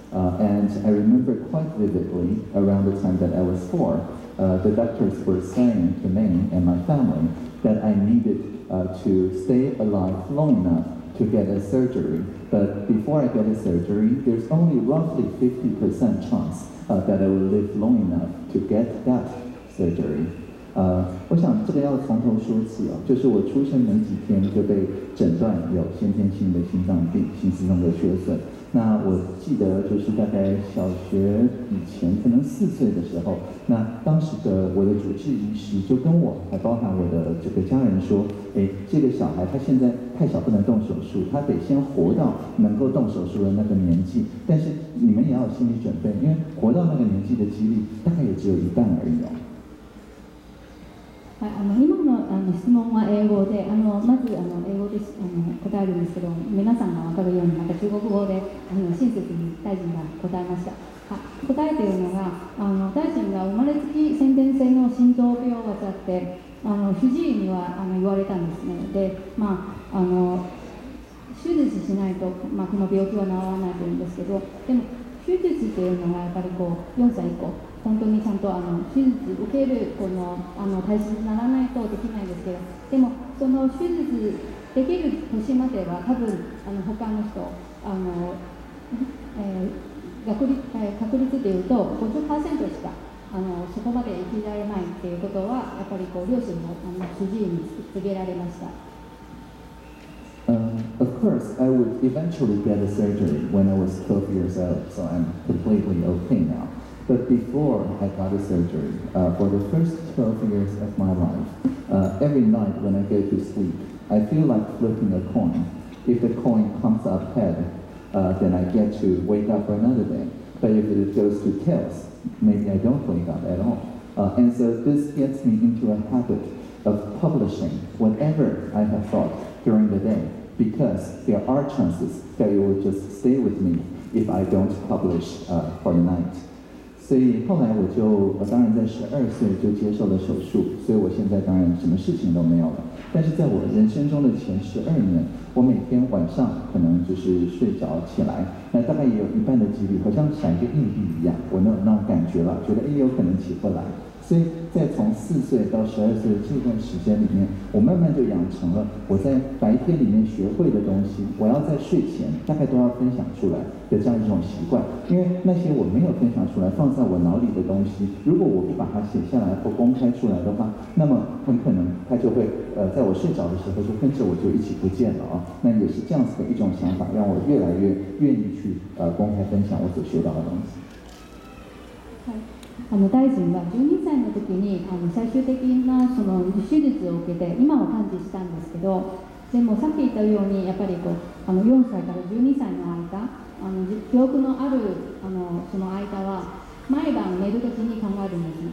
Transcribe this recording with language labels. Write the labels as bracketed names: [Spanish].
[English] And I remember quite vividly around the time that I was 4, the doctors were saying to me and my family that I needed to stay alive long enough to get a surgery. But before I get a surgery, there's only roughly 50% chance that I will live long enough to get that surgery. [Chinese] 我想这个要从头说起哦，就是我出生没几天就被诊断有先天性的心脏病、心室中的缺损。那我记得就是大概小学以前，可能4岁的时候，那当时的我的主治医师就跟我，还包含我的这个家人说，这个小孩他现在太小不能动手术，他得先活到能够动手术的那个年纪。但是你们也要有心理准备，因为活到那个年纪的几率大概也只有一半而已哦。 [Japanese] はい、今 の質問は英語で、まず英語で答えるんですけど、皆さんが分かるように、また中国語で親切に大臣が答えました。答えているのが、大臣が生まれつき先天性の心臓病を患って、不自由には言われたんですね。で、まあ、手術しないと、まあ、この病気は治らないというんですけど、でも、手術というのがやっぱりこう4歳以降。本当にちゃんと手術を受けるこの体質にならないとできないんですけど、でもその手術できる年までは多分他の人確率でいうと 50% しかそこまで生きられないっていうことはやっぱりこう両親も主治医に告げられました。 [English] Of course, I would eventually get a surgery when I was 12 years old, so I'm completely okay now. But before I got a surgery, for the first 12 years of my life, every night when I go to sleep, I feel like flipping a coin. If the coin comes up head, then I get to wake up for another day. But if it goes to tails, maybe I don't wake up at all. And so this gets me into a habit of publishing whatever I have thought during the day, because there are chances that it will just stay with me if I don't publish for the night. [Chinese] 所以后来我当然在12岁就接受了手术，所以我现在当然什么事情都没有了。但是在我人生中的前12年，我每天晚上可能就是睡着起来，那大概也有一半的几率，好像闪一个硬币一样，我那种感觉了，觉得有可能起不来。所以在从4岁到12岁的这段时间里面，我慢慢就养成了我在白天里面学会的东西，我要在睡前大概都要分享出来的这样一种习惯。因为那些我没有分享出来放在我脑里的东西，如果我不把它写下来或公开出来的话，那么很可能它就会在我睡着的时候就跟着我就一起不见了啊。那也是这样子的一种想法，让我越来越愿意去公开分享我所学到的东西。 [Japanese] 大臣は12歳の時に最終的なその手術を受けて今は完治したんですけど、でもさっき言ったようにやっぱりこう 4歳から12歳の間、記憶のあるその間は毎晩寝るときに考えるんですね。